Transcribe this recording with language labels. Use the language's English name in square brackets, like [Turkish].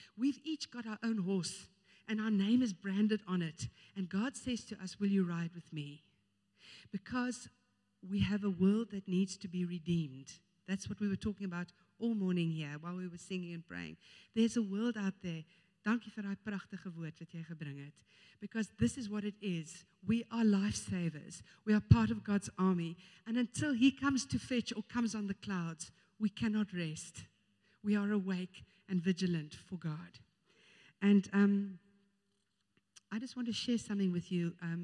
[English] We've each got our own horse, and our name is branded on it. And God says to us, will you ride with me? Because we have a world that needs to be redeemed. That's what we were talking about all morning here while we were singing and praying. There's a world out there. [Afrikaans] Dankie vir daai pragtige woord wat jy gebring het. [English] Because this is what it is. We are lifesavers. We are part of God's army. And until he comes to fetch or comes on the clouds, we cannot rest. We are awake and vigilant for God. And I just want to share something with you.